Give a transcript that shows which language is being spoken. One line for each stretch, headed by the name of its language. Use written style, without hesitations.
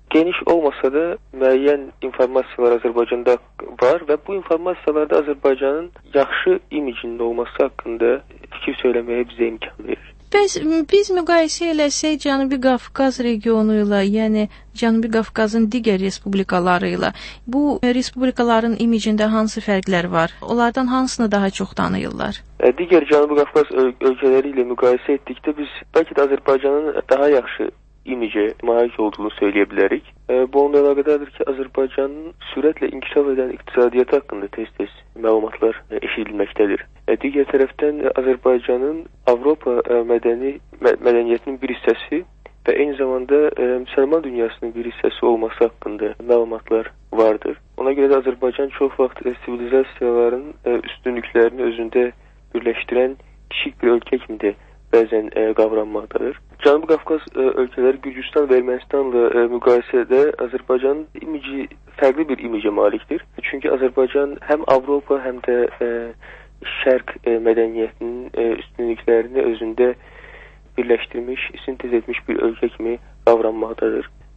Azerbaijani: Geniş olmasa da müəyyən informasiyalar Azərbaycanda var və bu informasiyalarda Azərbaycanın yaxşı imicində olması haqqında fikir söyləməyə bizə imkan verir. Bəs biz müqayisə eləsək Cənubi Qafqaz regionu ilə, yəni Cənubi Qafqazın digər respublikaları ilə, bu respublikaların imicində hansı fərqlər var? Onlardan hansını daha çox tanıyırlar? Digər Cənubi Qafqaz ölkələri ilə müqayisə etdikdə biz bəlkə də Azərbaycanın daha yaxşı imicə malik olduğunu söyləyə bilərik. Bu onunla əlaqədədir ki, Azərbaycanın sürətlə inkişaf edən iqtisadiyyatı haqqında tez-tez məlumatlar eşidilməkdədir. Digər tərəfdən Azərbaycanın Avropa mədəniyyətinin bir hissəsi
Turkish: Ve aynı zamanda Müslüman dünyasının bir hissesi olması hakkında malumatlar vardır. Ona göre de Azerbaycan çok vakit sivilizasyonların üstünlüklerini özünde birleştiren kişilik bir ülke kimi de bazen kavranmaktadır.
Azerbaijani: Cənubi Qafqaz ölkələri Gürcüstan və Ermənistanla müqayisədə Azərbaycanın imici fərqli bir imicə malikdir. Çünki Azərbaycan həm Avropa, həm də şərq mədəniyyətinin üstünlüklərini özündə birləşdirmiş, sintez etmiş bir ölkə kimi qavranmaqdadır.